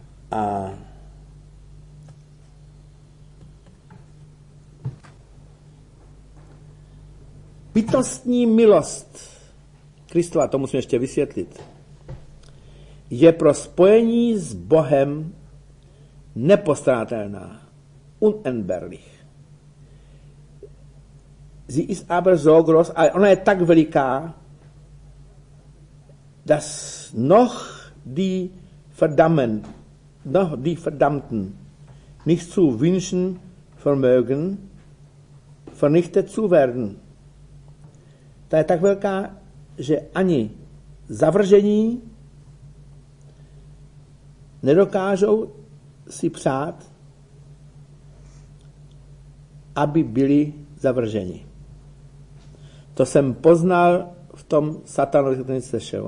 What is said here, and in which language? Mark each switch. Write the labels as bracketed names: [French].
[Czech] A bytostní milost Kristova, to musím ještě vysvětlit, je pro spojení s Bohem nepostrádatelná, unentbehrlich. [German] Sie ist aber so groß, [Czech] ale ona je tak veliká, [German] dass noch die Verdammten, noch die Verdammten nicht zu wünschen vermögen, vernichtet zu werden. [Czech] Ta je tak velká, že ani zavržení nedokážou si přát, aby byli zavrženi. To jsem poznal v tom satanovi, který jsem sešel.